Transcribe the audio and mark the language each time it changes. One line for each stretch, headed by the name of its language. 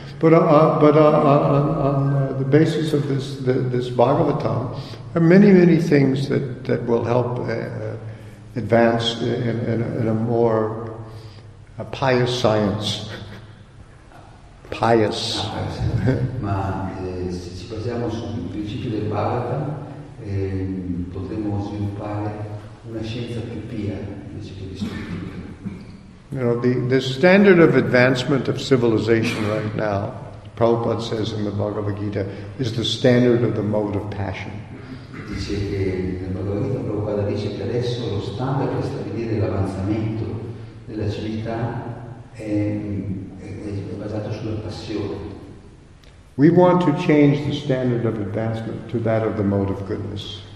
English: But on the basis of this Bhagavatam, there are many, many things that will help advance in a more a pious science. Pious.
Italian: Ma se ci basiamo sui principi del Bhagavatam, potremmo sviluppare una scienza più pia invece che distruttiva.
English: You know, the standard of advancement of civilization right now, Prabhupada says in the Bhagavad Gita, is the standard of the mode of passion.
Italian: Dice che nel Bhagavad Gita Prabhupada dice che adesso lo standard per stabilire l'avanzamento della civiltà è basato sulla passione.
English: We want to change the standard of advancement to that of the mode of goodness.